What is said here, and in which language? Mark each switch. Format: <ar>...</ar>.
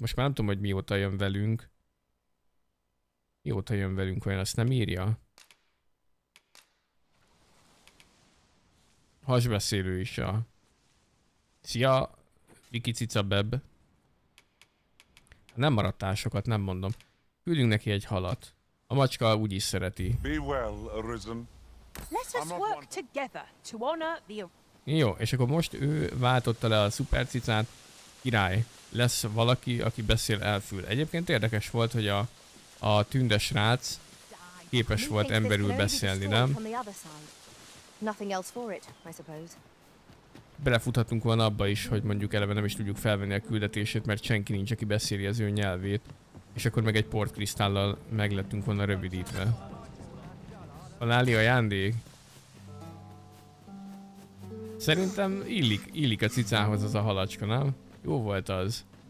<hu>Most már nem tudom, hogy mióta jön velünk. Mióta jön velünk, olyan ezt nem írja? Hasbeszélő is a... Szia, Viki Cica Beb. Nem maradtál sokat, nem mondom. Küldünk neki egy halat. A macska úgy is szereti.</hu> <en>Be well, arisen. Let us work together to honor the...</en> <hu>Jó, és akkor most ő váltotta le a szupercicát. Király, lesz valaki, aki beszél elfül. Egyébként érdekes volt, hogy a tünde srác képes volt emberül beszélni, nem?</hu> <en>Nothing else for it, I suppose.</en> <hu>Belefuthatunk volna abba is, hogy mondjuk eleve nem is tudjuk felvenni a küldetését, mert senki nincs, aki beszéli az ő nyelvét. És akkor meg egy portkristállal meg lettünk volna rövidítve. A Láli ajándék? Szerintem illik a cicához az a halacska, nem? Jó volt az.</hu>